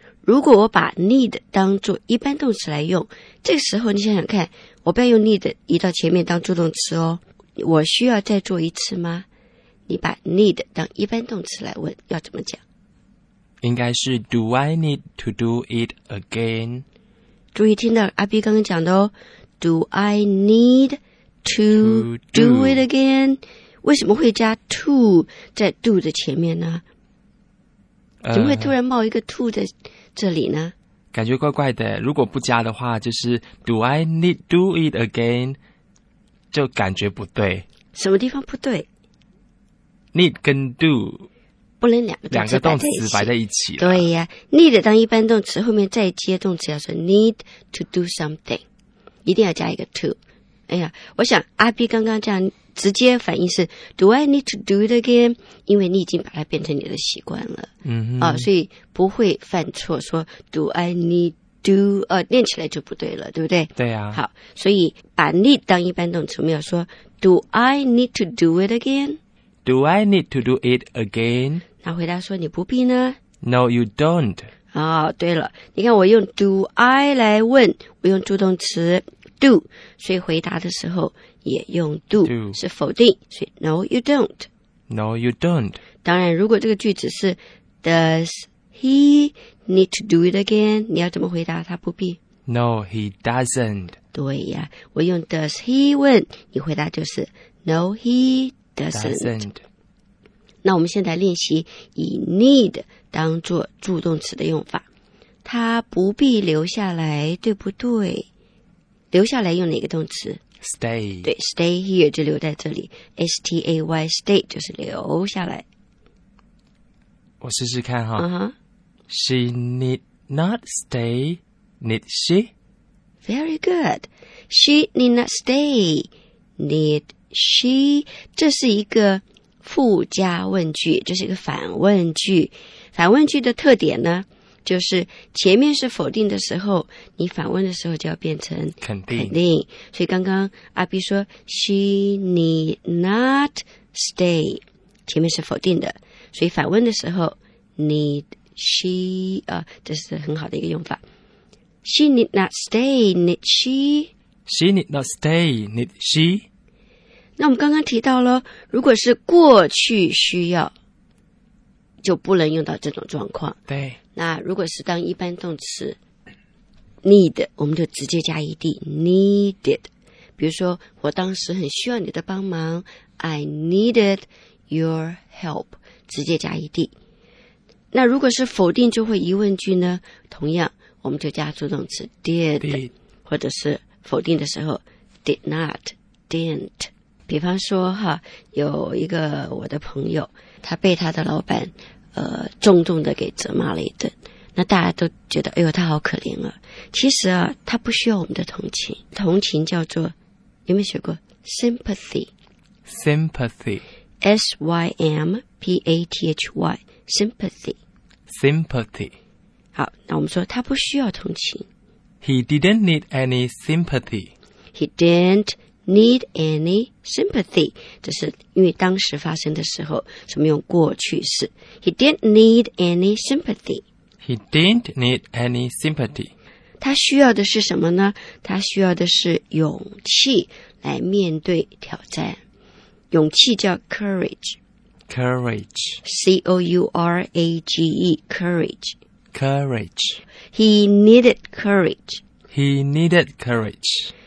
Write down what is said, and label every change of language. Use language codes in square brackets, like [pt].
[zh] 如果我把 need 当作一般动词来用，这个时候你想想看，我不要用 need 移到前面当助动词哦。我需要再做一次吗？你把 need 当一般动词来问，要怎么讲？应该是 [en] Do I need to do it again? [zh] 注意听到阿 B 刚刚讲的哦 [en] Do I need to do it again? [zh] 为什么会加 to 在 do 的前面呢？怎么会突然冒一个 to 在这里呢？感觉怪怪的，如果不加的话就是 [en] Do I need to do it again? [zh] 就感觉不对。什么地方不对？ [en] Need 跟 do [zh] 不能两个动词摆在一起。对呀、啊、，need 当一般动词，后面再接动词，要说 [en] need to do something， [zh] 一定要加一个 to。哎呀，我想阿 B 刚刚这样直接反应是 [en] Do I need to do it again？ [zh] 因为你已经把它变成你的习惯了，嗯哼，啊，所以不会犯错，说 [en] Do I need to？ [zh] 念起来就不对了，对不对？对呀、啊。好，所以把 need 当一般动词，我们要说 [en] Do I need to do it again？ Do I need to do it again? [zh] 那回答说你不必呢 [en] No, you don't. [zh] 哦，对了，你看我用 do I 来问，我用助动词 do， 所以回答的时候也用 do， 是否定，所以 [en] no you don't， no you don't。 [zh] 当然如果这个句子是 [en] does he need to do it again， [zh] 你要怎么回答他不必？ [en] no he doesn't。 [zh] 对呀，我用 does he 问你，回答就是 [en] no he doesn't, doesn't。 [zh] 那我们现在练习以 need 当作助动词的用法，他不必留下来，对不对？留下来用哪个动词？ [en] Stay。 [zh] 对， [en] stay here [zh] 就留在这里， S-T-A-Y， stay 就是留下来。我试试看哈、 uh-huh. [en] She need not stay, need she? Very good. She need not stay, need she? [zh] 这是一个附加问句，这是一个反问句。反问句的特点呢，就是前面是否定的时候，你反问的时候就要变成肯定。肯定。所以刚刚阿 B 说 [en] She need not stay， [zh] 前面是否定的，所以反问的时候 [en] Need she、 [zh] 这是很好的一个用法。 [en] She need not stay, need she? She need not stay, need she? [zh] 那我们刚刚提到了，如果是过去需要就不能用到这种状况。对，那如果是当一般动词 need， 我们就直接加 ed needed。比如说我当时很需要你的帮忙， [en] I needed your help， [zh] 直接加 ed。那如果是否定就会疑问句呢，同样我们就加助动词 did， 或者是否定的时候 [en] did not didn't。 [zh] 比方说哈，有一个我的朋友，他被他的老板重重的给责骂了一顿，那大家都觉得哎呦他好可怜啊。其实啊，他不需要我们的同情。同情叫做，有没有学过 sympathy？ [en] sympathy， S-Y-M-P-A-T-H-Y， sympathy， sympathy。 [zh] 好，那我们说他不需要同情。 [en] He didn't need any sympathy。 He didn't need any sympathy， [zh] 这是因为当时发生的时候，所以用过去式。 [en] He didn't need any sympathy。 He didn't need any sympathy。 [zh] 他需要的是什么呢？他需要的是勇气来面对挑战。勇气叫 courage。 [en] Courage， C-O-U-R-A-G-E， courage， courage。 He needed courage。 He needed courage